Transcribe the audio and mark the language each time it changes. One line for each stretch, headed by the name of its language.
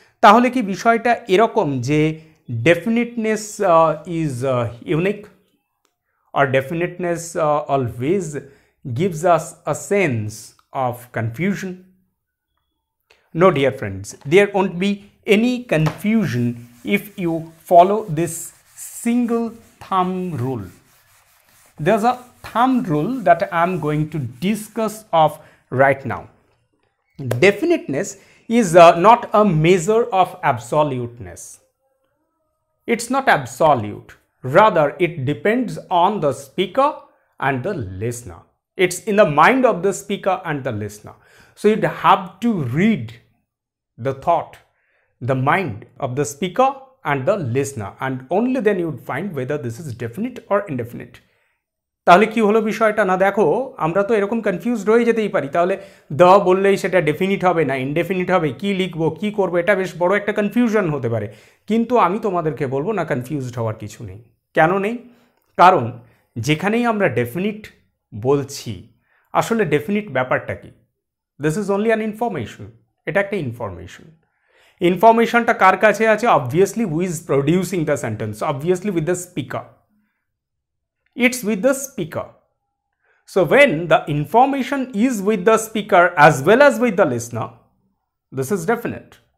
Bangla: তাহলে কি বিষয়টা এরকম যে
English: Definiteness is unique আর definiteness always gives us a sense of confusion? No dear friends, there won't be any confusion if you follow this single thumb rule. There a thumb rule that I am going to discuss of right now. Definiteness is not a measure of absoluteness. It's not absolute. Rather, it depends on the speaker and the listener. It's in the mind of the speaker and the listener. So you'd have to read the thought, the mind of the speaker and the listener. And only then you'd find whether this is definite or indefinite.
Bangla: তাহলে কি হলো বিষয়টা? না দেখো, আমরা তো এরকম confused হয়ে যেতেই পারি, তাহলে দ্য বললেই সেটা ডেফিনিট হবে না ইনডেফিনিট হবে, কি লিখবো কি করবো, এটা বেশ বড় একটা কনফিউশন হতে পারে। কিন্তু আমি তোমাদেরকে বলবো না, কনফিউজড হওয়ার কিছু নেই। কেন নেই? কারণ যেখানেই আমরা ডেফিনিট বলছি, আসলে ডেফিনিট ব্যাপারটা কি?
English: this is only an information,
Bangla: এটা একটা ইনফরমেশন। ইনফরমেশনটা কার কাছে আছে?
English: Obviously who is producing the sentence, obviously with the speaker, it's with the speaker. So when the information is with the speaker as well as with the listener, this is definite.